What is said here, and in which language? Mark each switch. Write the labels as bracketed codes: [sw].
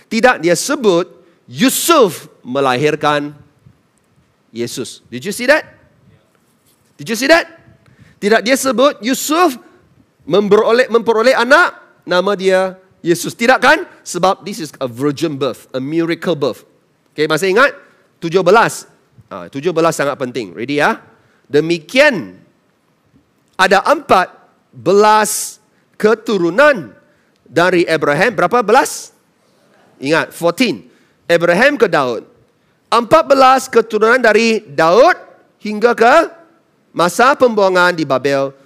[ms] Tidak, dia sebut Yusuf melahirkan Yesus. [en] Did you see that? [ms] Did you see that? Tidak, dia sebut Yusuf memperoleh anak, nama dia Yesus. Tidak kan? [en] Sebab this is a virgin birth, a miracle birth. [ms] Okay, masih ingat? 17. 17 sangat penting. Ready ya? Demikian, ada 14 keturunan dari Abraham. Berapa belas? Ingat, 14. Abraham ke Daud. 14 keturunan dari Daud hingga ke masa pembuangan di Babel.